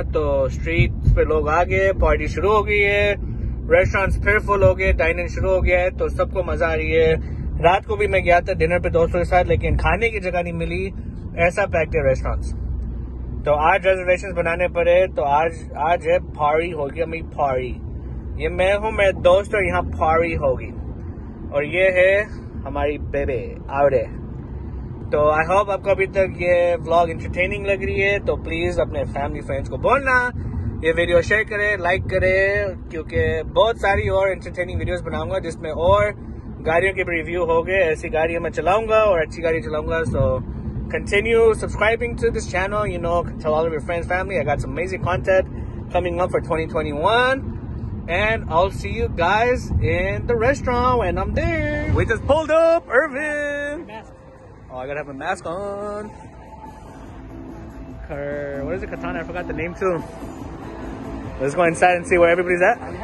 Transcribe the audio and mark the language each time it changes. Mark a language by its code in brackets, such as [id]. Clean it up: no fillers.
[hi] To streets pe log aa gaye, party shuru ho gayi hai. Restaurants phir full ho gaye, dine in shuru ho gaya hai. To sabko maza aa rahi hai. Raat ko bhi main gaya tha dinner pe doston ke sath, lekin khane ki jagah nahi mili. Aisa packed hai restaurants. To aaj reservations banane pade. To aaj hai party ho gayi meri party. ये मैं हूँ, मेरे दोस्त, और यहाँ पारी होगी. और ये है हमारी बेबे आवरे. तो [en] I hope [hi] आपको अभी तक ये व्लॉग इंटरटेनिंग लग रही है. तो प्लीज अपने फैमिली फ्रेंड्स को बोलना ये वीडियो शेयर करें, लाइक करें, क्योंकि बहुत सारी और इंटरटेनिंग वीडियोस बनाऊंगा जिसमें और गाड़ियों के रिव्यू हो गए. ऐसी गाड़ियाँ मैं चलाऊंगा और अच्छी गाड़ी चलाऊंगा. [en] So continue subscribing to this channel, you know, tell all of your friends family. I got some amazing content coming up for 2021. And I'll see you guys in the restaurant when I'm there. We just pulled up, Irvin. Oh, I gotta have a mask on. What is it, Katana? I forgot the name too. Let's go inside and see where everybody's at.